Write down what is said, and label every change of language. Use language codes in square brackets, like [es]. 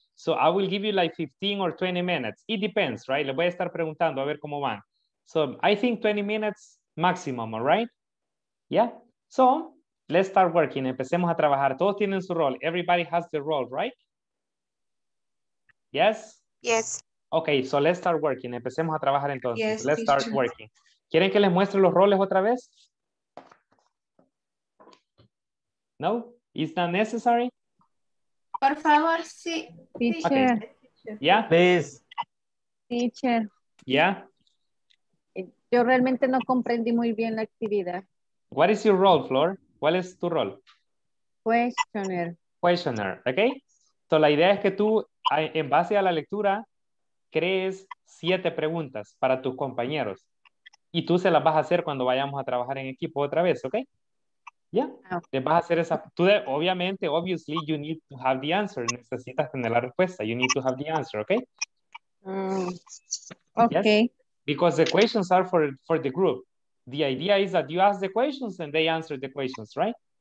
[en] So I will give you like 15 or 20 minutes. It depends, right? [es] Le voy a estar preguntando a ver cómo van. [en] So I think 20 minutes maximum, all right? Yeah? So let's start working. [es] Empecemos a trabajar. Todos tienen su rol. [en] Everybody has their role, right? Yes? Yes. Okay, so let's start working. [es] Empecemos a trabajar entonces. [en] Yes, let's start working. [es] ¿Quieren que les muestre los roles otra vez? [en] No? Is that necessary? [es] Por favor, sí. [en] Teacher. Okay. Yeah? Please. Teacher. Yeah? [es] Yo realmente no comprendí muy bien la actividad. [en] What is your role, Flor? [es] ¿Cuál es tu rol? [en] Questioner. Questioner, okay? [es] So la idea es que tú, en base a la lectura, crees 7 preguntas para tus compañeros. Y tú se las vas a hacer cuando vayamos a trabajar en equipo otra vez, okay? Ya, yeah. Vas a hacer esa. Tú de, obviamente, [en] obviously, you need to have the answer. [es] Necesitas tener la respuesta. [en] You need to have the answer, okay? Okay. Yes? Because the questions are for the group. The idea is that you ask the questions and they answer the questions, right?